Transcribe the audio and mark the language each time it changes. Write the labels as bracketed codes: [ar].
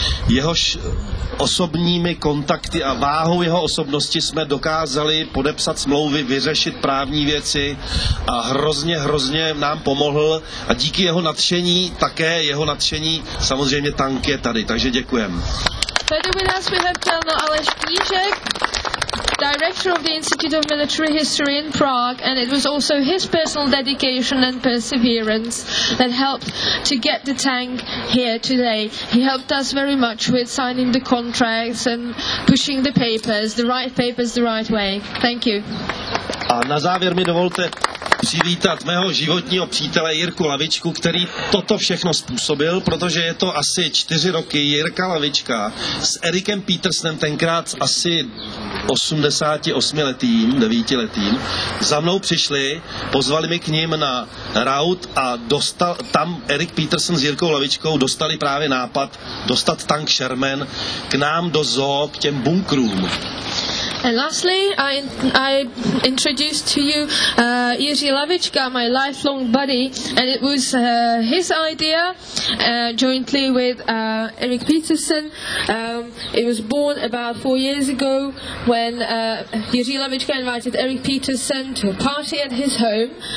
[cs] Jehož osobními kontakty a váhou jeho osobnosti jsme dokázali podepsat smlouvy, vyřešit právní věci a hrozně nám pomohl. A díky jeho nadšení, také jeho nadšení, samozřejmě tank je tady. Takže děkujeme. Tady by nás vyhrtěl [en] Aleš Knížek, director of the Institute of Military History in Prague, and it was also his personal dedication and perseverance that helped to get the tank here today. He helped us very much with signing the contracts and pushing the papers, the right papers, the right way. Thank you. [cs] A na závěr mi dovolte přivítat mého životního přítele Jirku Lavičku, který toto všechno způsobil, protože je to asi 4 roky Jirka Lavička s Erikem Petersonem, tenkrát asi 88letým, 9letým, za mnou přišli, pozvali mi k ním na raut a dostal, tam Erik Peterson s Jirkou Lavičkou dostali právě nápad dostat tank Sherman k nám do zoo, k těm bunkrům. [en] And lastly, I introduce to you Jiří Lavička, my lifelong buddy, and it was his idea, jointly with Erik Peterson. It was born about 4 years ago when Jiří Lavička invited Erik Peterson to a party at his home.